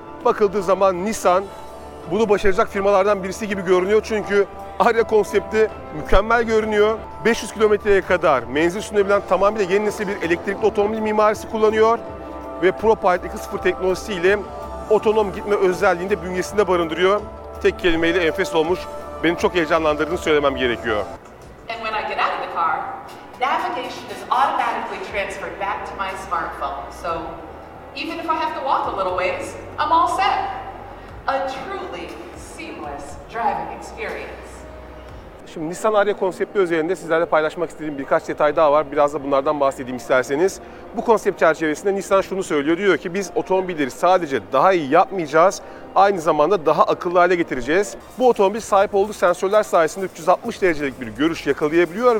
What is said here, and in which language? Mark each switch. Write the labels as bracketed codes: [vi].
[tr] Bakıldığı zaman Nissan bunu başaracak firmalardan birisi gibi görünüyor çünkü Ariya konsepti mükemmel görünüyor. 500 kilometreye kadar menzil sürebilen tamamıyla yeni nesil bir elektrikli otomobil mimarisi kullanıyor ve ProPilot 2.0 teknolojisiyle otonom gitme özelliğini de bünyesinde barındırıyor. Tek kelimeyle enfes olmuş. Beni çok heyecanlandırdığını söylemem gerekiyor. [en] And when I get out of the car, navigation is automatically transferred back to my smartphone. So, even if I have to walk a little ways, I'm all set. A truly seamless driving experience. [tr] Şimdi Nissan Ariya konsepti üzerinde sizlerle paylaşmak istediğim birkaç detay daha var. Biraz da bunlardan bahsedeyim isterseniz. Bu konsept çerçevesinde Nissan şunu söylüyor. Diyor ki biz otomobilleri sadece daha iyi yapmayacağız. Aynı zamanda daha akıllı hale getireceğiz. Bu otomobil sahip olduğu sensörler sayesinde 360 derecelik bir görüş yakalayabiliyor.